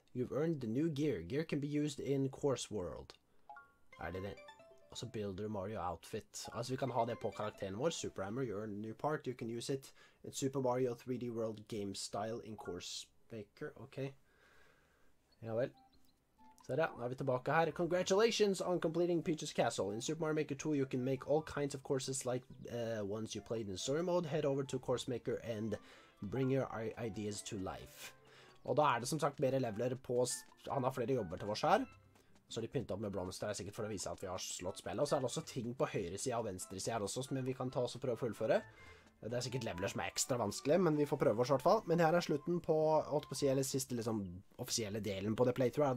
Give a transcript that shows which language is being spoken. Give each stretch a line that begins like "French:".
English: You've earned the new gear. Gear can be used in Course World.
Norwegian: Er det det? Og så Builder Mario Outfit. Altså, vi kan ha det på karakteren vår.
English: Super Hammer, you earned a new part. You can use it in Super Mario 3D World game style in Course Maker. Ok.
Norwegian: Ja vel. Så da, nå er vi tilbake her.
English: Congratulations on completing Peach's Castle. In Super Mario Maker 2, you can make all kinds of courses like ones you played in Story Mode. Head over to Course Maker and bring your ideas to life.
Norwegian: Og da er det som sagt bedre leveler på, han har flere jobber til vårt her. Så de pyntet opp med blomster, er sikkert for å vise at vi har slått spillet. Og så er det også ting på høyre siden og venstre siden også, som vi kan ta oss og prøve å fullføre. Det er sikkert leveler som er ekstra vanskelig, men vi får prøve oss i hvert fall. Men her er slutten på, eller siste liksom, offisielle delen på det playthrough.